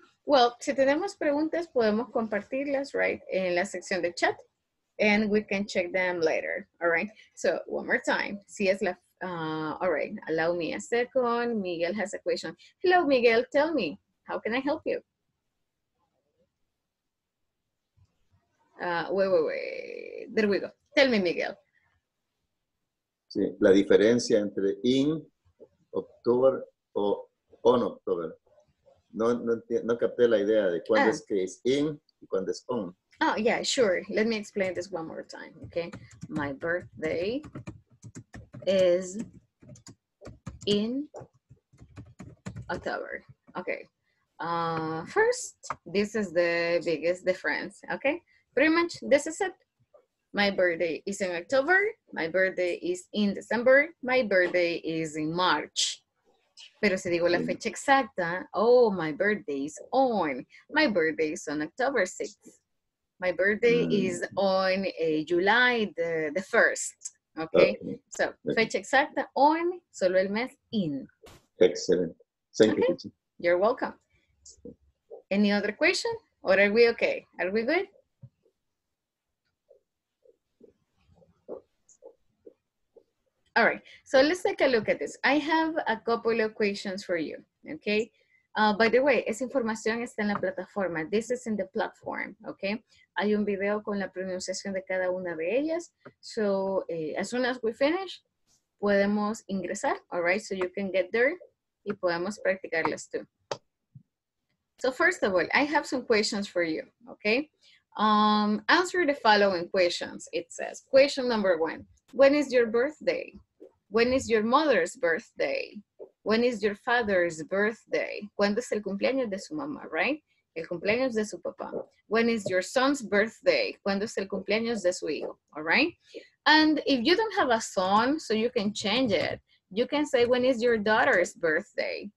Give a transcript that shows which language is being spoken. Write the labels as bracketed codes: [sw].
[es] Well, si tenemos preguntas, podemos compartirlas, right, en la sección de chat. [en] And we can check them later, all right? So, one more time. [es] Si es la, [en] all right, allow me a second. Miguel has a question. Hello, Miguel, tell me, how can I help you? Wait. There we go. Tell me, Miguel. [es] Sí, la diferencia entre [en] in October [es] o [en] on October. [es] No capté la idea de cuándo es que es in y cuándo es on. [en] Oh, yeah, sure. Let me explain this one more time, okay? My birthday is in October. Okay. First, this is the biggest difference, okay? Pretty much, this is it. My birthday is in October. My birthday is in December. My birthday is in March. [es] Pero si digo la fecha exacta, [en] oh, my birthday is on. My birthday is on October 6th. My birthday is on July the 1st. Okay? [es] So, fecha exacta, on, solo el mes, in. [en] Excellent. Thank you. You're welcome. Any other question? Or are we okay? Are we good? All right, so let's take a look at this. I have a couple of questions for you, okay? By the way, [es] esa información está en la plataforma. [en] This is in the platform, okay? [es] Hay un video con la pronunciación de cada una de ellas. [en] So as soon as we finish, [es] podemos ingresar, [en] all right? So you can get there [es] y podemos practicarlas [en] too. So first of all, I have some questions for you, okay? Answer the following questions, it says. Question number one, when is your birthday? When is your mother's birthday? When is your father's birthday? [es] ¿Cuándo es el cumpleaños de su mamá, right? El cumpleaños de su papá. [en] When is your son's birthday? [es] ¿Cuándo es el cumpleaños de su hijo, [en] all right? And if you don't have a son, so you can change it. You can say, when is your daughter's birthday?